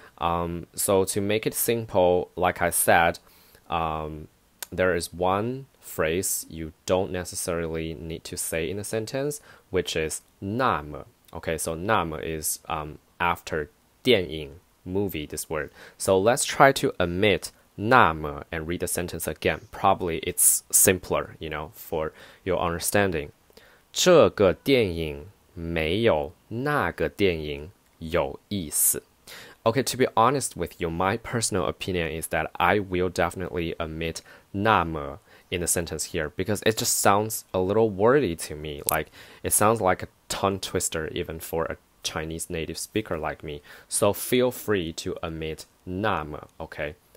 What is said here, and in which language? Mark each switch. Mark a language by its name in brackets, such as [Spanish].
[English] So to make it simple, like I said, there is one phrase you don't necessarily need to say in a sentence, which is 那么. Okay, so 那么 is after 电影, movie, this word. So let's try to omit 那么 and read the sentence again. Probably it's simpler, you know, for your understanding. [Chinese] 这个电影没有那个电影有意思. [English] Okay, to be honest with you, my personal opinion is that I will definitely omit 那么 in the sentence here because it just sounds a little wordy to me. Like, it sounds like a tongue twister, even for a Chinese native speaker like me. So, feel free to omit 那么, okay?